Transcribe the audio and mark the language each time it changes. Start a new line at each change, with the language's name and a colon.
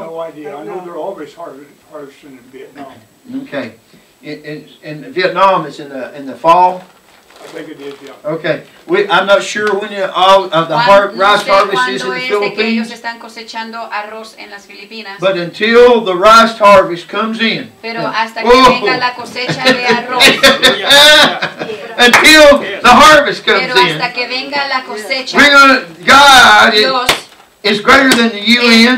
English: No idea. I know they're always harvesting in Vietnam. Okay, in Vietnam it's in the fall. I think it is, yeah. Okay, I'm not sure when all of the rice harvest is in the Philippines.
Spanish: Ellos están cosechando arroz en las Filipinas.
English: But until the rice harvest comes in,
Spanish: pero hasta que venga la cosecha de arroz.
English: until the harvest comes in. We're gonna, God is greater than the UN.